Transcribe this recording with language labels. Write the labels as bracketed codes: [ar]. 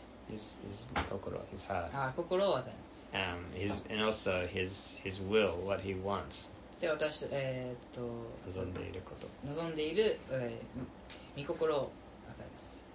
[en] His 心、His heart、 [ja] 心を与えます。 [en] His and also His will, what He wants。 [ja] で、私、望んでいること、望んでいる、御心を与えます。